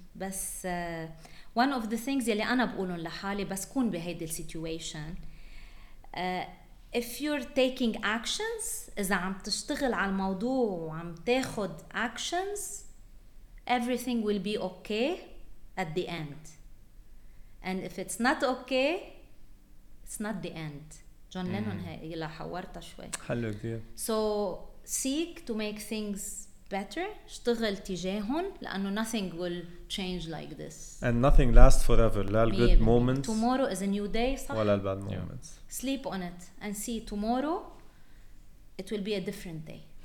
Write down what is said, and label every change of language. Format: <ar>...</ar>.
<ar>بس</ar> <en>one of the things</en> <ar>يلي أنا بقولهم لحالي بس كون بهيدا</ar> <en>situation if you're taking actions,</en> <ar>إذا عم تشتغل على الموضوع وعم تاخد</ar> <en>actions, everything will be okay at the end. And if it's not okay, it's not the end.</en> <ar>John Lennon هي اللي حورتها شوي. حلو كتير.</ar> <en>So seek to make things better.</en> <ar>اشتغل تجاههم لأنه</ar> <en>nothing will change like this. And nothing lasts forever.</en> <ar>لا</ar> <en>good moments. Tomorrow is a new day.</en> <ar>صح؟ ولا</ar> <en>bad moments. Yeah. Sleep on it and see tomorrow it will be a different day.</en>